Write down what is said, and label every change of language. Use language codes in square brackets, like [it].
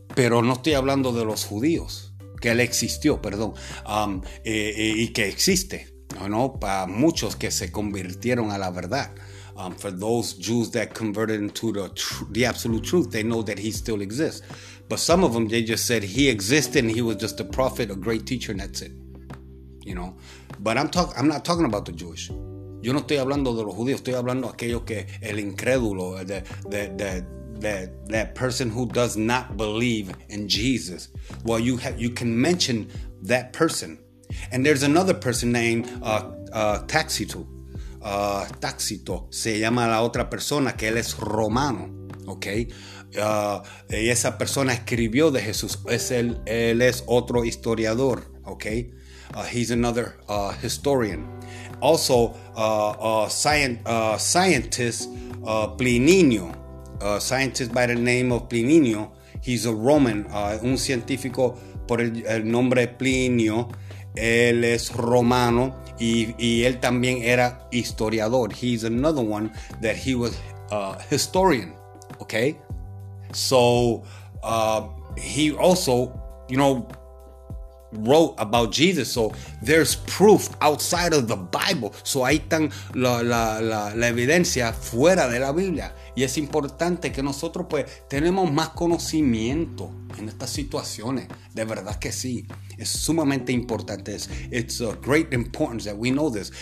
[es] pero no estoy hablando de los judíos, que él existió, perdón, y que existe, ¿no? Para muchos que se convirtieron a la verdad. [en] For those Jews that converted into the absolute truth, they know that he still exists. But some of them, they just said he existed and he was just a prophet, a great teacher, and that's it. You know? But I'm not talking about the Jewish. [es] Yo no estoy hablando de los judíos. Estoy hablando de aquello que el incrédulo, [en] that person who does not believe in Jesus. Well, you can mention that person. And there's another person named Tácito. [es] Tácito se llama la otra persona, que él es romano, ok. Y esa persona escribió de Jesús. Él es otro historiador, ok. [en] He's another historian. Also, scientist by the name of Plinio. He's a Roman, [es] un científico por el nombre Plinio. Él es romano y él también era historiador. [en] He's another one that he was a historian, okay? So he also, you know, wrote about Jesus. So there's proof outside of the Bible. [es] So ahí están la evidencia fuera de la Biblia. Y es importante que nosotros pues tenemos más conocimiento en estas situaciones. De verdad que sí. Es sumamente importante. [en] It's a great importance that we know this.